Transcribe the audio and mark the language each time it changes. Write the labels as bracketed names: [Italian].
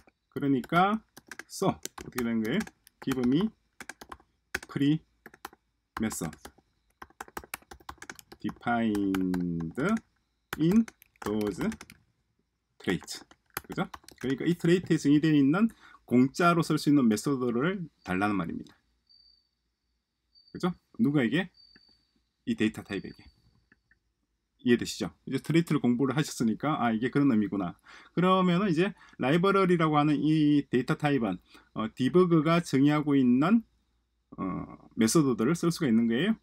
[Korean] 그러니까 so 어떻게 되는 거예요? [English] Give me pre method defined in those traits. [Korean] 그죠? 그러니까 이 트레이트에 정의되어 있는 공짜로 쓸수 있는 메소드를 달라는 말입니다. 그죠? 누구에게? 이 데이터 타입에게. 이해되시죠? 이제 트레이트를 공부를 하셨으니까 아 이게 그런 의미구나. 그러면은 이제 라이브러리라고 하는 이 데이터 타입은 디버그가 정의하고 있는 메소드들을 쓸 수가 있는 거예요.